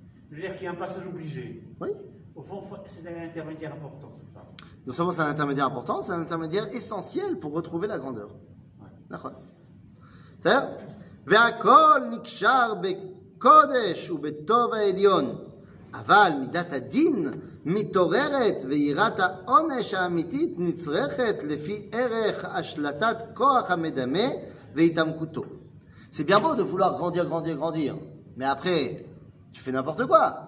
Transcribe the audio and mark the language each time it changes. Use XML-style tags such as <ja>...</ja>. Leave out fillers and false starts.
<fr>Je veux dire qu'il y a un passage obligé. Oui. Au fond, c'est un intermédiaire important. Non seulement c'est un intermédiaire important, c'est un intermédiaire essentiel pour retrouver la grandeur. Ouais. D'accord. C'est-à-dire</fr> <he>והכל נקשר בקודש ובטוב העליון, אבל מידת הדין מתעוררת ויראת העונש האמיתית נצרכת לפי ערך השלטת כוח המדמה והתעמקותו.</he> <fr>C'est bien beau de vouloir grandir, grandir, grandir, mais après, tu fais n'importe quoi.</fr>